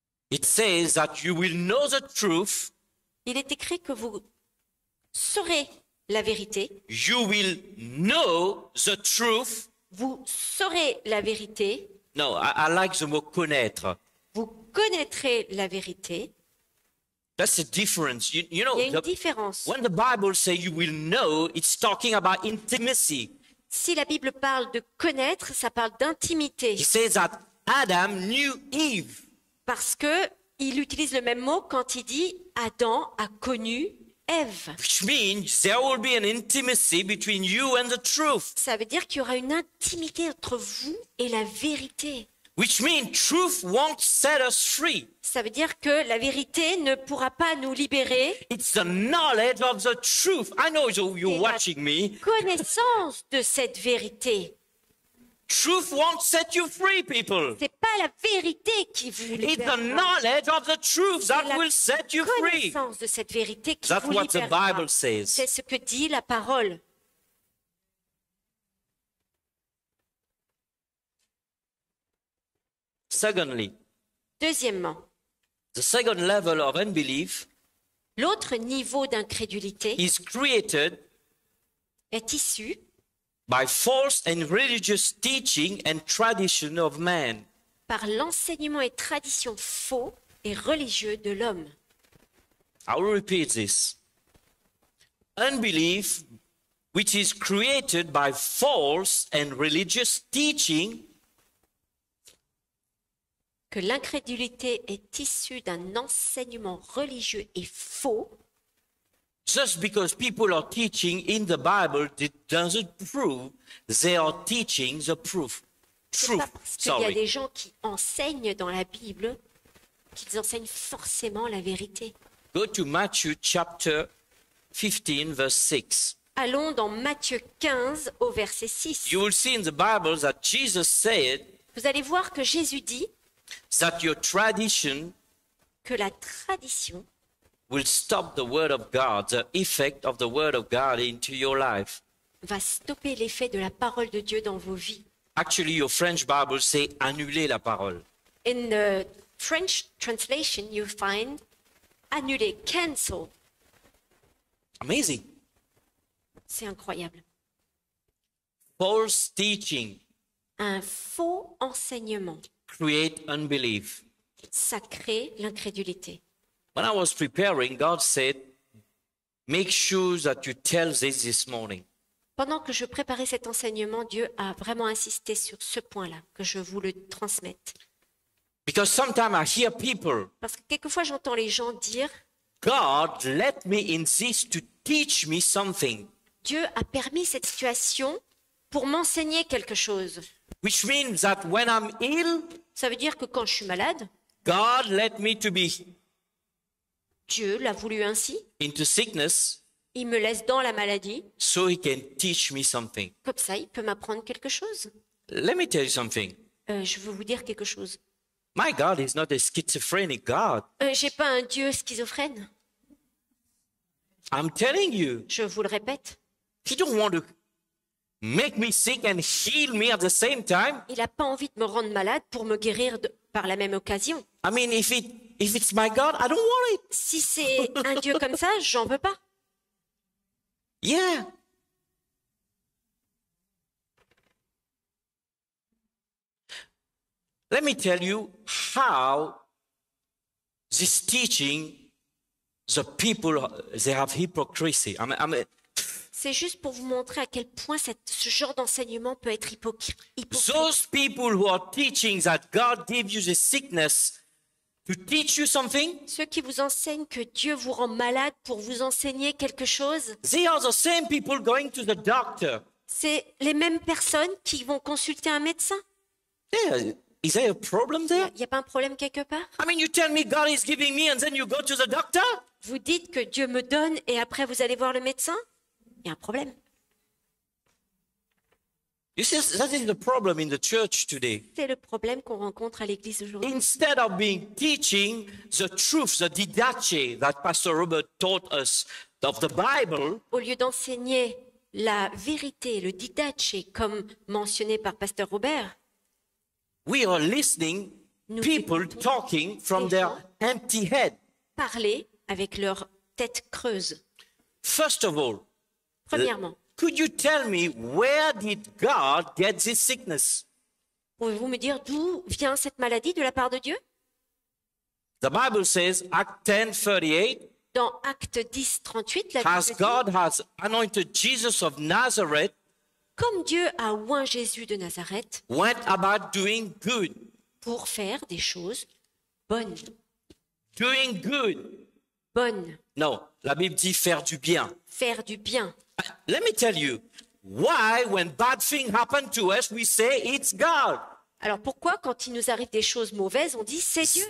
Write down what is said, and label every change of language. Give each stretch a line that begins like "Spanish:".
English: It says that you will know the truth.
French: Il est écrit que vous saurez la vérité.
English: You will know the truth.
French: Vous saurez la vérité.
English: No, I like the
French: mot connaître. Vous connaîtrez la vérité.
English: That's the difference. You know,
French: il y a une différence.
English: When the Bible says you will know, it's talking about intimacy.
French: Si la Bible parle de connaître, ça parle d'intimité.
English: It says that Adam knew Eve.
French: Parce que il utilise le même mot quand il dit Adam a connu Ève.
English: Which means there will be an intimacy between you and the truth.
French: Ça veut dire qu'il y aura une intimité entre vous et la vérité.
English: Which means truth won't set us free.
French: Ça veut dire que la vérité ne pourra pas nous libérer.
English: It's the knowledge of the truth. I know you're watching me.
French: Connaissance de cette vérité.
English: Truth won't set you free, people.
French: C'est pas la vérité qui vous libère.
English: It's the knowledge of the truth that will set you free.
French: Connaissance de cette vérité qui vous libère.
English: That's what the Bible says.
French: C'est ce que dit la parole.
English: Secondly,
French: deuxièmement,
English: the second level of unbelief,
French: l'autre niveau d'incrédulité,
English: is created,
French: est issu,
English: by false and religious teaching and tradition of man,
French: par l'enseignement et tradition faux et religieux de l'homme.
English: I will repeat this. Unbelief, which is created by false and religious teaching.
French: Que l'incrédulité est issue d'un enseignement religieux et faux.
English: Just because people are teaching in the Bible, it doesn't prove they are teaching the proof.
French: Il y a des gens qui enseignent dans la Bible qu'ils enseignent forcément la vérité.
English: Go to Matthew chapter 15, verse 6.
French: Allons dans Matthieu 15 au verset 6.
English: You will see in the Bible that Jesus said.
French: Vous allez voir que Jésus dit.
English: That your tradition,
French: que la tradition,
English: will stop the word of God, the effect of the word of God into your life.
French: Va stopper l'effet de la parole de Dieu dans vos vies.
English: Actually, your French Bible says
French: annuler la parole.
English: In the French translation, you find annuler, cancel. Amazing.
French: C'est incroyable.
English: False teaching.
French: Un faux enseignement.
English: Create unbelief.
French: Ça crée l'incrédulité.
English: When I was preparing, God said, "Make sure that you tell this morning."
French: Pendant que je préparais cet enseignement, Dieu a vraiment insisté sur ce point-là, que je vous le transmette.
English: Because sometimes I hear people.
French: Parce que quelquefois j'entends les gens dire.
English: God let me insist to teach me something.
French: Dieu a permis cette situation pour m'enseigner quelque chose.
English: Which means that when I'm ill,
French: ça veut dire que quand je suis malade,
English: God let me to be.
French: Dieu l'a voulu ainsi.
English: Into sickness,
French: il me laisse dans la maladie.
English: So he can teach me something.
French: Comme ça, il peut m'apprendre quelque chose.
English: Let me tell you something.
French: Je veux vous dire quelque chose.
English: My God is not a schizophrenic God.
French: J'ai pas un Dieu schizophrène.
English: I'm telling you.
French: Je vous le répète.
English: He don't want to make me sick and heal me at the same time.
French: Il a pas envie de me rendre malade pour me guérir de, par la même occasion.
English: I mean, if it's my God, I don't want it.
French: Si c'est un Dieu comme ça, j'en veux pas.
English: Yeah. Let me tell you how this teaching the people they have hypocrisy.
French: C'est juste pour vous montrer à quel point ce genre d'enseignement peut être hypocrite.
English: Those people who are teaching that God gave you the sickness to teach you something.
French: Ceux qui vous enseignent que Dieu vous rend malade pour vous enseigner quelque chose.
English: They are the same people going to the doctor.
French: C'est les mêmes personnes qui vont consulter un médecin.
English: Yeah. Is there a problem there?
French: Y a pas un problème quelque part?
English: I mean, you tell me God is giving me, and then you go to the doctor?
French: Vous dites que Dieu me donne et après vous allez voir le médecin? Y a un problème?
English: You see, that is the problem in the church today.
French: C'est le problème qu'on rencontre à l'église aujourd'hui.
English: Instead of being teaching the truth, the didache that Pastor Robert taught us of the Bible.
French: Au lieu d'enseigner la vérité, le didache, comme mentionné par Pasteur Robert.
English: We are listening
French: nous
English: people talking from their empty head.
French: Parler avec leur tête creuse.
English: First of all,
French: premièrement,
English: could you tell me where did God get this sickness?
French: Pouvez-vous me dire d'où vient cette maladie de la part de Dieu?
English: The Bible says, Acts 10:38.
French: Dans Actes 10:38, la Bible dit,
English: as God has anointed Jesus of Nazareth.
French: Comme Dieu a oint Jésus de Nazareth,
English: went about doing good.
French: Pour faire des choses bonnes.
English: Doing good.
French: Bonne. Non, la Bible dit faire du bien. Faire du bien.
English: Let me tell you why when bad things happen to us, we say it's God.
French: Alors pourquoi quand il nous arrive des choses mauvaises, on dit c'est Dieu?